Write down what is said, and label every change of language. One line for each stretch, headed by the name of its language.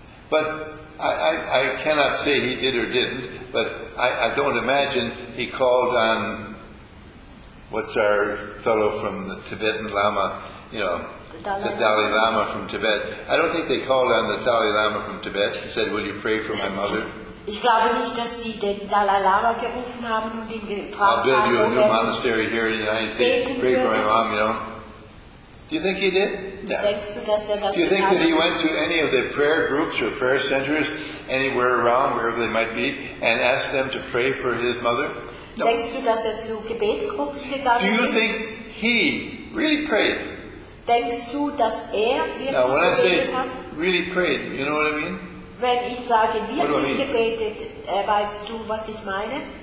English: But I cannot say he did or didn't, but I don't imagine he called on, what's our fellow from the Tibetan Lama, the Dalai Lama from Tibet. I don't think they called on the Dalai Lama from Tibet and said, will you pray for my mother?
German: Ich glaube nicht, dass sie den Dalai Lama gerufen haben und ihn gefragt haben.
English: I'll build you a new monastery here in the United States, pray for my mom, Do you think he did? No. Do you think that he went to any of the prayer groups or prayer centers anywhere around, wherever they might be, and asked them to pray for his mother?
German: No. Denkst du, dass er zu Gebetsgruppen gegangen
English: ist? Do you think he really prayed?
German: Denkst du, dass er wirklich
English: Now, when
German: so
English: I say really prayed, you know what I mean?
German: Wenn ich sage, wirklich gebetet, weißt du, was ich meine?